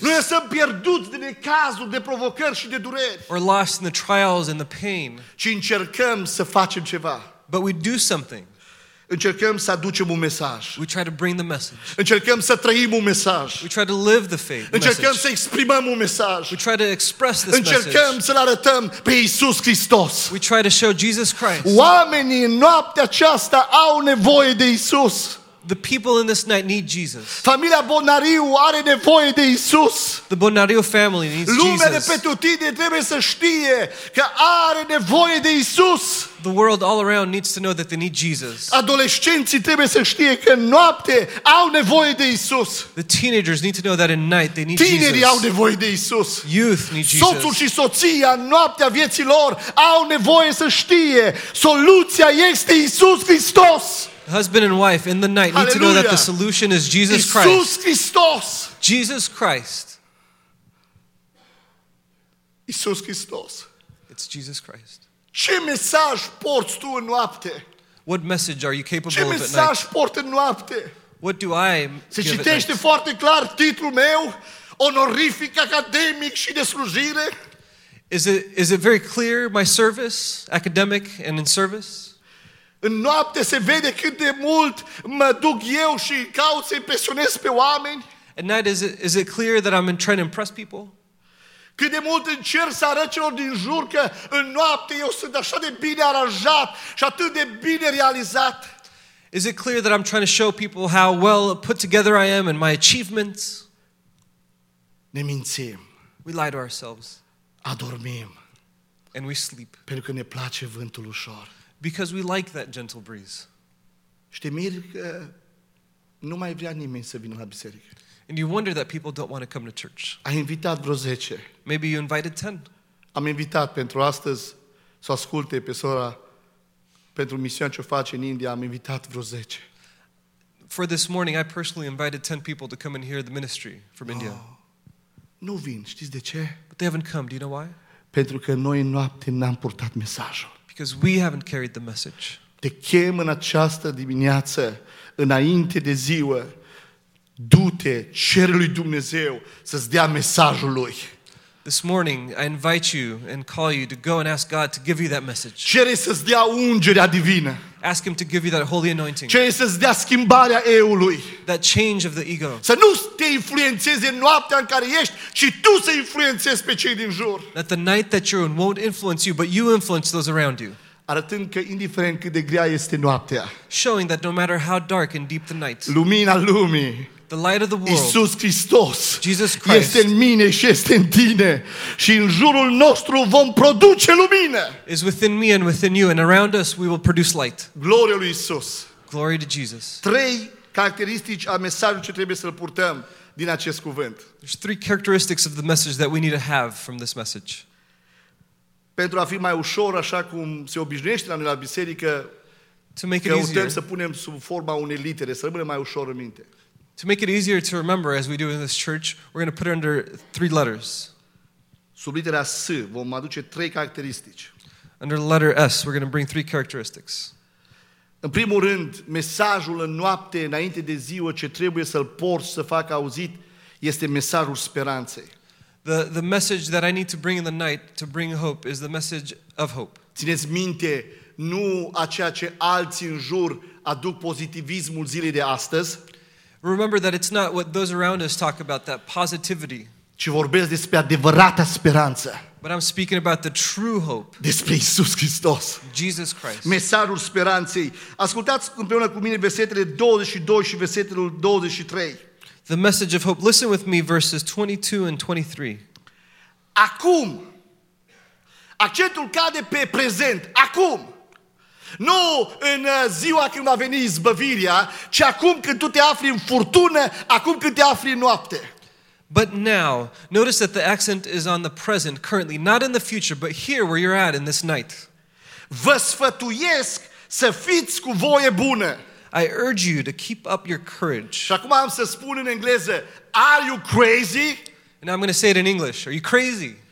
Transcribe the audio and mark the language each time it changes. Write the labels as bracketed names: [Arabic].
[Romanian] Nu ne lăsăm pierduți de necazuri, de provocări și de dureri. [English] Or lost in the trials and the pain. [Romanian] Ci încercăm să facem ceva. [English] But we do something. [Romanian] Încercăm să aducem un mesaj. [English] We try to bring the message. [Romanian] Încercăm să trăim un mesaj. [English] We try to live the faith. [Romanian] Încercăm să exprimăm un mesaj. [English] We try to express this [Romanian] încercăm [English] message. [Romanian] Încercăm să-L arătăm pe Iisus Hristos. [English] We try to show Jesus Christ. [Romanian] Oamenii în noaptea aceasta au nevoie de Iisus. [English] The people in this night need Jesus. [Romanian] Familia Bonariu are nevoie de Iisus. [English] The Bonariu family needs Jesus. [Romanian] Lumea de petutine trebuie să știe că are nevoie de Iisus. [English] The world all around needs to know that they need Jesus. [Romanian] Adolescenții trebuie să știe că noapte au nevoie de Iisus. [English] The teenagers need to know that in night they need [Romanian] tinerii [English] Jesus. [Romanian] Tinerii au nevoie de Iisus. [English] Youth need Jesus. [Romanian] Soțul și soția în noaptea vieții lor au nevoie să știe soluția este Iisus Hristos. [English] Husband and wife in the night Hallelujah. Need to know that the solution is Jesus Christ. [Romanian] Iisus Hristos. [English] Jesus Christ. [Romanian] Iisus Hristos. [English] It's Jesus Christ. [Romanian] Ce mesaj porți tu în noapte? [English] What message are you capable [Romanian] ce mesaj port în noapte? [English] What do I [Romanian] se citește foarte clar titlul meu, onorific, academic și de slujire. [English] Is it very clear my service, academic and in service? [Romanian] În noapte se vede cât de mult mă duc eu și caut să impresionez pe oameni. [English] At night, is it clear that I'm trying to impress people? [Romanian] Cât de mult încerc să arăt celor din jur că în noapte eu sunt așa de bine aranjat și atât de bine realizat. [English] Is it clear that I'm trying to show people how well put together I am and my achievements? [Romanian] Ne mințim. [English] We lie to ourselves. [Romanian] Adormim. [English] And we sleep. [Romanian] Pentru că ne place vântul ușor. [English] Because we like that gentle breeze. [Romanian] Și te miri că nu mai vrea nimeni să vină la biserică. [English] And you wonder that people don't want to come to church. [Romanian] Ai invitat vreo 10. [English] Maybe you invited 10. [Romanian] Am invitat pentru astăzi să asculte pe sora pentru misiunea ce o face în India, am invitat vreo 10. [English] For this morning I personally invited 10 people to come and hear the ministry from India. [Romanian] Nu vin, știți de ce? [English] But they haven't come, do you know why? [Romanian] Pentru că noi în noapte n-am purtat mesajul. [English] Because we haven't carried the message. [Romanian] Te chem în această dimineață, înainte de ziua, du-te cerului Dumnezeu să-ți dea mesajul lui. [English] This morning I invite you and call you to go and ask God to give you that message. [Romanian] Cere să-ți dea ungerea divină. [English] Ask him to give you that holy anointing. [Romanian] Cere să-ți dea schimbarea eului. [English] That change of the ego. [Romanian] Să nu te influențeze noaptea în care ești și tu să influențezi pe cei din jur. [English] That the night that you're in won't influence you, but you influence those around you. [Romanian] Arătând că indiferent cât de grea este noaptea. [English] Showing that no matter how dark and deep the night. [Romanian] Lumina lumii. [English] The light of the world. [Romanian] Iisus Hristos. [English] Jesus Christ. [Romanian] Este în mine și este în tine. Și în jurul nostru vom produce lumină. [English] Is within me and within you and around us we will produce light. [Romanian] Gloria lui Iisus. [English] Glory to Jesus. [Romanian] Trei caracteristici a mesajului ce trebuie să-l purtăm din acest cuvânt. [English] There's three characteristics of the message that we need to have from this message. [Romanian] Pentru a fi mai ușor, așa cum se obișnuiește la noi la biserică, căutăm să punem sub forma unei litere, să rămânem mai ușor în minte. [English] To make it easier to remember, as we do in this church, we're going to put it under three letters. [Romanian] Sub litera S vom aduce trei caracteristici. [English] Under the letter S, we're going to bring three characteristics. [Romanian] În primul rând, mesajul în noapte, înainte de ziua, ce trebuie să-l porți, să facă auzit, este mesajul speranței. [English] The message that I need to bring in the night to bring hope is the message of hope. [Romanian] Țineți minte, nu a ceea ce alții în jur aduc pozitivismul zilei de astăzi. [English] Remember that it's not what those around us talk about, that positivity. [Romanian] Ci vorbesc despre adevărata speranță. [English] But I'm speaking about the true hope. [Romanian] Despre Iisus Hristos. [English] Jesus Christ. [Romanian] Mesajul speranței. Ascultați împreună cu mine versetele 22 și versetul 23. [English] The message of hope. Listen with me, verses 22 and 23. [Romanian] Acum, accentul cade pe prezent. Acum. Nu în ziua când va veni izbăvirea, ci acum când tu te afli în furtună, acum când te afli în noapte. [English] But now, notice that the accent is on the present, currently, not in the future, but here where you're at in this night. [Romanian] Vă sfătuiesc să fiți cu voie bună. [English] I urge you to keep up your courage. [Romanian] Și acum am să spun în engleză, [English] are you crazy? And I'm going to say it in English, are you crazy?